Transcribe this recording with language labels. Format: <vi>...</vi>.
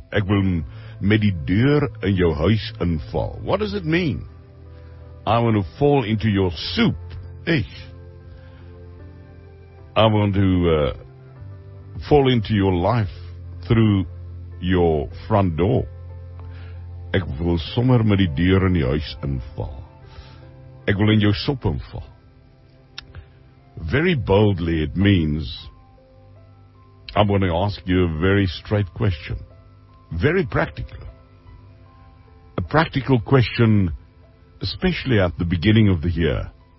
<af>Ek wil met die deur in jou huis inval.</af> <en>What does it mean? I want to fall into your soup. I want to fall into your life through your front door.</en> <af>Ek wil sommer met die deur in die huis inval. Ek wil in jou sop inval.</af> <en>Very boldly, it means I'm going to ask you a very straight question. Very practical. A practical question, especially at the beginning of the year.</en>